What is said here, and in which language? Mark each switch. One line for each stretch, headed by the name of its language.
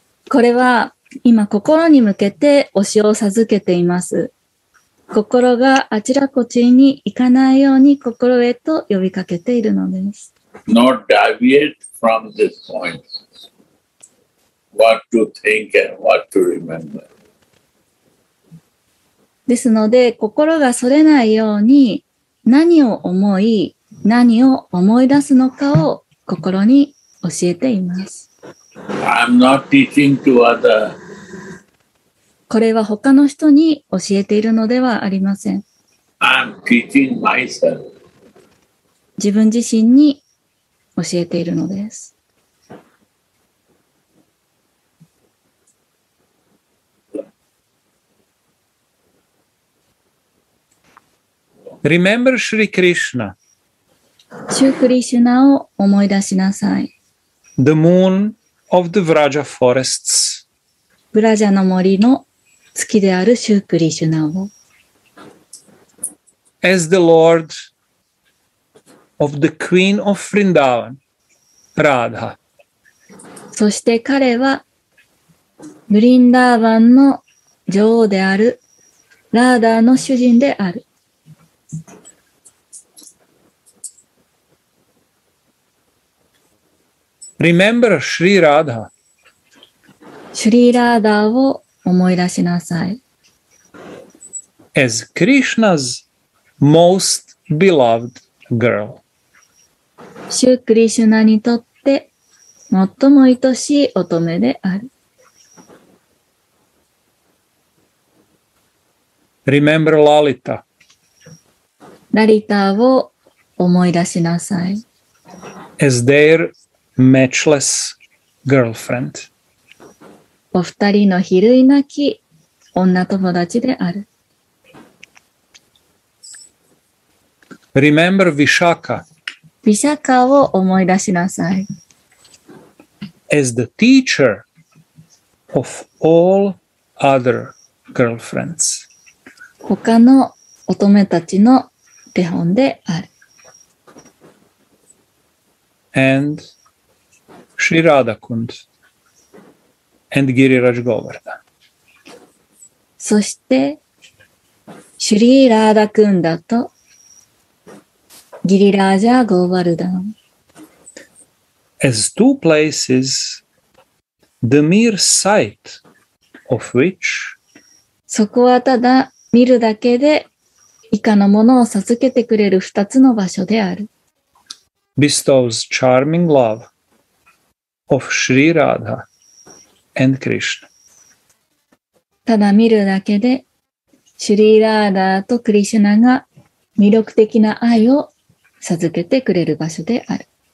Japanese: これは今心に向けて教えを授けています。心があちらこちに行かないように心へと呼びかけているのです。
English: Not deviate from this point. What to think and what to remember.
Japanese: ですので、心がそれないように何を思い、何を思い出すのかを心に教えています。
English: I'm not teaching to other.
Japanese: これは他の人に教えているのではありません。
English: I'm teaching myself.
Japanese: 自分自身に教えているのです。
English: Remember Shri Krishna.
Japanese: シュークリシュナを思い出しなさい。
English: The moon of the Vraja forests.
Japanese: ブラジャの森の月であるシュークリシュナを。
English: As the Lord of the Queen of Vrindavan, Radha.
Japanese: そして彼はブリンダーバンの女王であるラーダーの主人である。
English: Remember Shri Radha.
Japanese: Shri Radha を思い出しなさい。
English: As Krishna's most beloved girl.
Japanese: シュークリシュナにとって最も愛しい乙女である。
English: Remember Lalita.
Japanese: ラリタを思い出しなさい。
English: As their matchless girlfriend.
Japanese: お二人の比類なき女友達である。
English: Remember Vishaka.
Japanese: Vishaka を思い出しなさい。
English: As the teacher of all other girlfriends.
Japanese: 他の乙女たちの手本である。
English: And Shri Radha Kund and Giriraj Govardhan.
Japanese: そして、シュリー・ラーダ・クンダとギリラージャ・ゴーバルダン。
English: As two places, the mere sight of which
Japanese: そこはただ見るだけで以下のものを授けてくれる二つの場所である。
English: Bestows charming love of Shri Radha and Krishna.
Japanese: ただ見るだけで、シュリー・ラーダーとクリシュナが魅力的な愛を授けてくれる場所である。